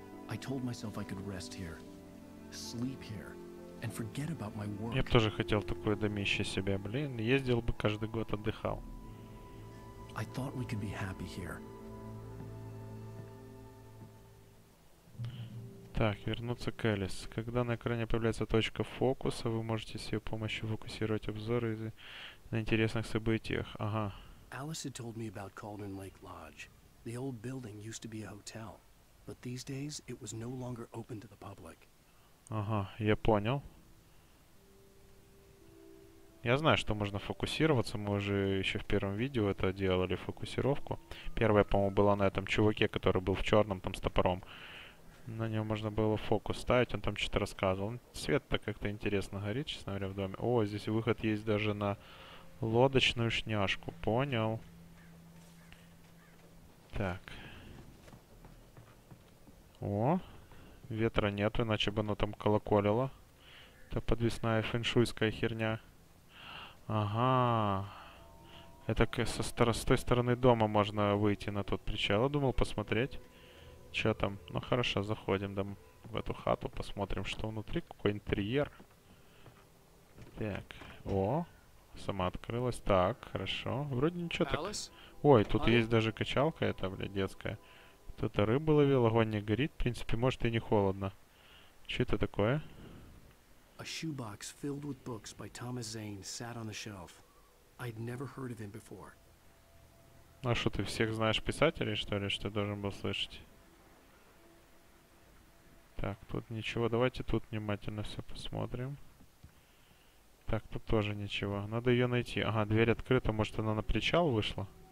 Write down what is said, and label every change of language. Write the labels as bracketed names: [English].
[English] I told myself I could rest here, sleep here, and forget about my work. [Russian] Я тоже хотел такое домище себе, блин, ездил бы каждый год отдыхал. [English] I thought we could be happy here. [Russian] Так, вернуться к Элис. Когда на экране появляется точка фокуса, вы можете с ее помощью фокусировать обзор на интересных событиях. Ага. [English] Alice had told me about Calden Lake Lodge. The old building used to be a hotel, but these days it was no longer open to the public. [Russian] Ага, я понял. Я знаю, что можно фокусироваться. Мы уже еще в первом видео это делали, фокусировку. Первая, по-моему, была на этом чуваке, который был в черном там с топором. На нем можно было фокус ставить, он там что-то рассказывал. Свет-то как-то интересно горит, честно говоря, в доме. О, здесь выход есть даже на лодочную шняжку. Понял. Так. О, ветра нету, иначе бы оно там колоколило. Это подвесная феншуйская херня. Ага. Это с той стороны дома можно выйти на тот причал. Я думал посмотреть. Чё там? Ну хорошо, заходим там в эту хату, посмотрим, что внутри, какой интерьер. Так, о, сама открылась. Так, хорошо. Вроде ничего так. Алис? Ой, тут есть Аня? даже качалка эта, бля, детская. Кто-то рыбу ловил, огонь не горит. В принципе, может и не холодно. Чё это такое? [English] A shoebox filled with books by Thomas Zane sat on the shelf. I'd never heard of him before. [Russian] А что, ты всех знаешь писателей, что ли, что ты должен был слышать? Так, тут ничего. Давайте тут внимательно все посмотрим. Так, тут тоже ничего. Надо ее найти. Ага, дверь открыта. Может, она на причал вышла?